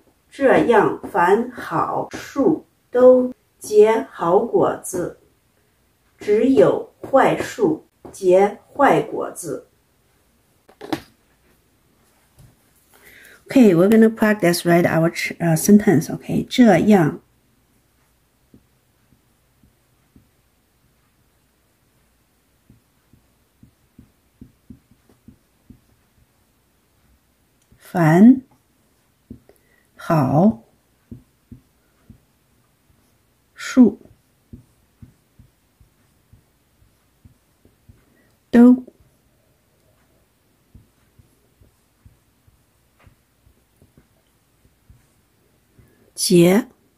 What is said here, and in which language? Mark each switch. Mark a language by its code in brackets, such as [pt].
[zh] 这样凡好树都结好果子，只有坏树结坏果子。 [en] Okay, we're going to practice write our sentence, okay? [zh] 这样凡好树都结